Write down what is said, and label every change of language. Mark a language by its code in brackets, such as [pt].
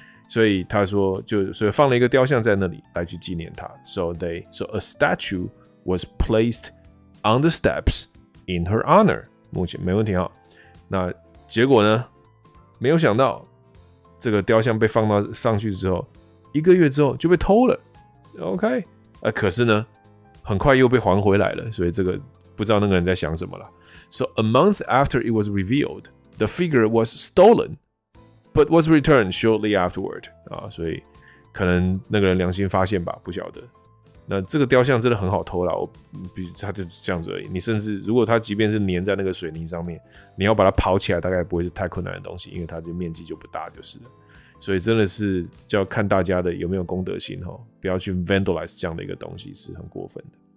[zh] 所以他说所以放了一个雕像在那里来去纪念他 ， [en] so a statue was placed on the steps in her honor， [zh] 目前没问题哈。那结果呢？没有想到，这个雕像被放去之后，一个月之后就被偷了。 OK， 可是呢，很快又被还回来了，所以这个不知道那个人在想什么了。 [en] So a month after it was revealed, the figure was stolen, but was returned shortly afterward. [zh] 所以可能那个人良心发现吧，不晓得。那这个雕像真的很好偷啦，它就这样子而已。你甚至如果它即便是粘在那个水泥上面，你要把它刨起来，大概不会是太困难的东西，因为它的面积就不大，就是了。所以真的是就要看大家的有没有公德心哈，不要去 vandalize 这样的一个东西，是很过分的。